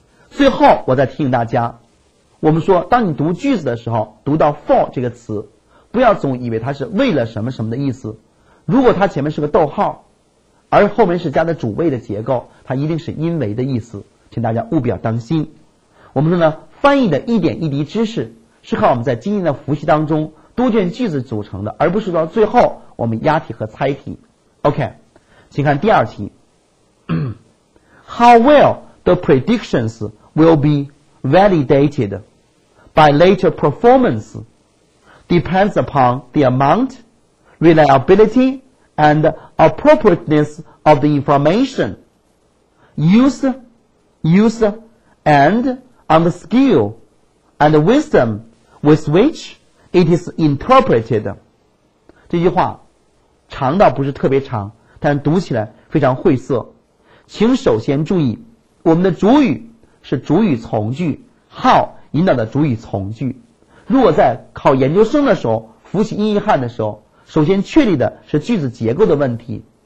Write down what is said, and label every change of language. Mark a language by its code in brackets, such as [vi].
[zh] 最后我再提醒大家，我们说当你读句子的时候，读到 for 这个词，不要总以为它是为了什么什么的意思，如果它前面是个逗号而后面是加的主谓的结构，它一定是因为的意思，请大家务必要当心。我们说呢，翻译的一点一滴知识是靠我们在今天的复习当中多卷句子组成的，而不是到最后我们押题和猜题。 OK， 请看第二题。 [en] How well the predictions will be validated by later performance depends upon the amount, reliability, and appropriateness of the information used, and on the skill and wisdom with which it is interpreted. [zh] 这句话长到不是特别长，但读起来非常晦涩。请首先注意，我们的主语是主语从句 how 引导的主语从句。如果在考研究生的时候复习英译汉的时候，首先确立的是句子结构的问题。